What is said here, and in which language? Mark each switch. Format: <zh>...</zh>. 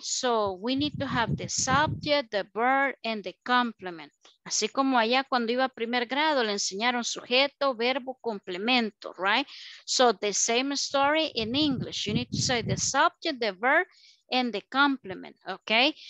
<en>So we need to have the subject, the verb, and the complement.</en> <es>Así como allá cuando iba a primer grado, le enseñaron sujeto, verbo, complemento, right?</es> <en>So the same story in English. You need to say the subject, the verb, and the complement, okay?</en>